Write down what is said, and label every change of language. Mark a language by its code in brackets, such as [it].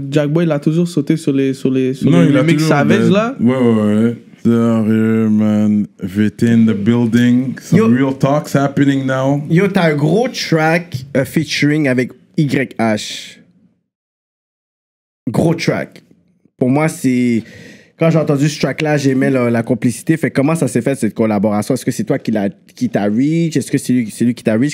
[fr] Jack Boy l'a toujours sauté sur les remix Savage là. Ouais. [en] There, man, within the building, some real talks happening now. [fr] Yo, t'as un gros track featuring avec YH. Gros track. Pour moi, c'est quand j'ai entendu ce track-là, j'aimais la complicité. Fait comment ça s'est fait cette collaboration? Est-ce que c'est toi qui t'a reach? Est-ce que c'est lui qui t'a reach?